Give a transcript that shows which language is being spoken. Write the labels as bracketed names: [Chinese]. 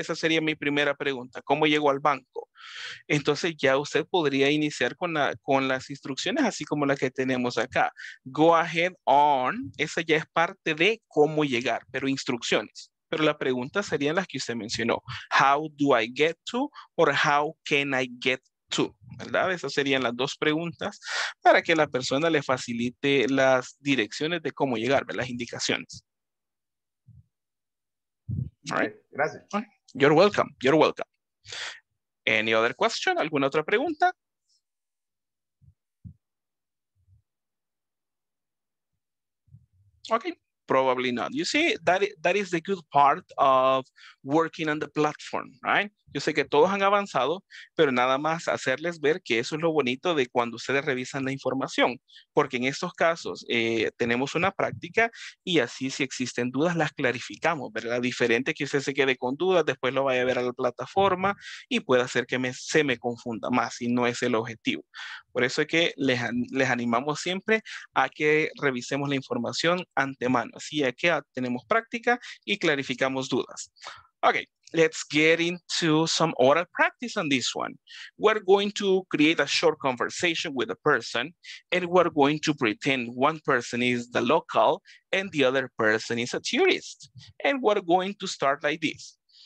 [Spanish] Esa sería mi primera pregunta. ¿Cómo llego al banco? Entonces ya usted podría iniciar con las instrucciones, así como la que tenemos acá. [English] Go ahead on. [Spanish] Esa ya es parte de cómo llegar, pero instrucciones. Pero la pregunta sería la que usted mencionó. [English] How do I get to, or how can I get to? [Spanish] ¿Verdad? Esas serían las dos preguntas para que la persona le facilite las direcciones de cómo llegar, ¿verdad? Las indicaciones. [English] All right. [Spanish] Gracias. [English] You're welcome. You're welcome. Any other question? [Spanish] ¿Alguna otra pregunta? [English] Okay. Probably not. You see, that is the good part of working on the platform, right? [Spanish] Yo sé que todos han avanzado, pero nada más hacerles ver que eso es lo bonito de cuando ustedes revisan la información, porque en estos casos tenemos una práctica y así si existen dudas las clarificamos, ¿verdad? Diferente que usted se quede con dudas, después lo vaya a ver a la plataforma y puede hacer que se me confunda más y no es el objetivo. Por eso es que les animamos siempre a que revisemos la información antemano, así ya que tenemos práctica y clarificamos dudas. [English] Okay. Let's get into some oral practice on this one. We're going to create a short conversation with a person, and we're going to pretend one person is the local and the other person is a tourist. And we're going to start like this.